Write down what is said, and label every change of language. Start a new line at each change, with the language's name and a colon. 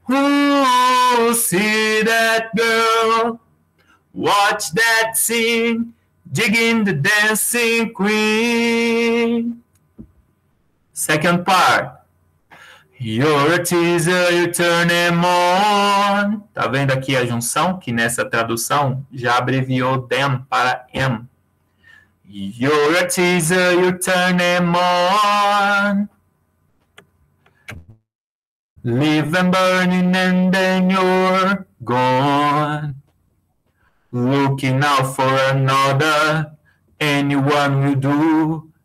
English: Ooh, see that girl, watch that scene, digging the dancing queen. Second part. You're a teaser, you turn him on.
Portuguese: Tá vendo aqui a junção? Que nessa tradução já abreviou them para em.
English: You're a teaser, you turn him on. Live and burning and then you're gone. Looking out for another, anyone will do.